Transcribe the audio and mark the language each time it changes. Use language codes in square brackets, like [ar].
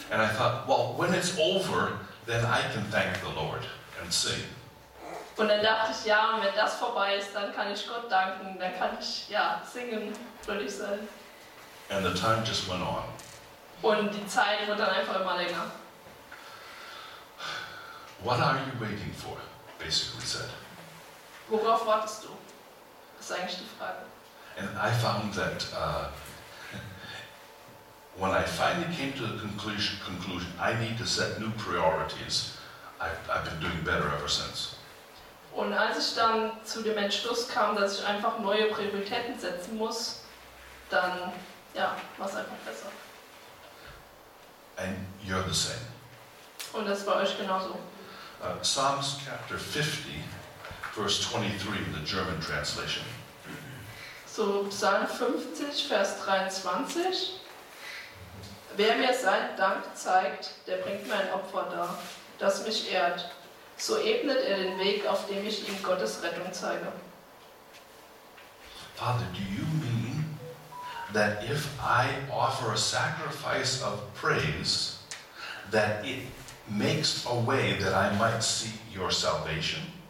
[en] And I thought, well, when it's over, then I can thank the Lord and sing. [de] Und dann dachte ich, ja, wenn das vorbei ist, dann kann ich Gott danken, dann kann ich, ja, singen, fröhlich sein. [en] And the time just went on. [de] Und die Zeit wird dann einfach immer länger. [en] What are you waiting for, basically said. [de] Worauf wartest du? Das ist eigentlich die Frage. [en] And I found that when I finally came to the conclusion, I need to set new priorities, I've been doing better ever since. [de] Und als ich dann zu dem Entschluss kam, dass ich einfach neue Prioritäten setzen muss, dann, ja, war es einfach besser. [en] And you're the same. [de] Und das ist bei euch genauso. [en] Psalms chapter 50, verse 23 in the German translation. [de] So, Psalm 50, Vers 23. Wer mir seinen Dank zeigt, der bringt mir ein Opfer dar, das mich ehrt. So ebnet den Weg, auf dem ich ihm Gottes Rettung zeige. [en] Father, do you mean that if I offer a sacrifice of praise, that it makes a way that I might see your salvation?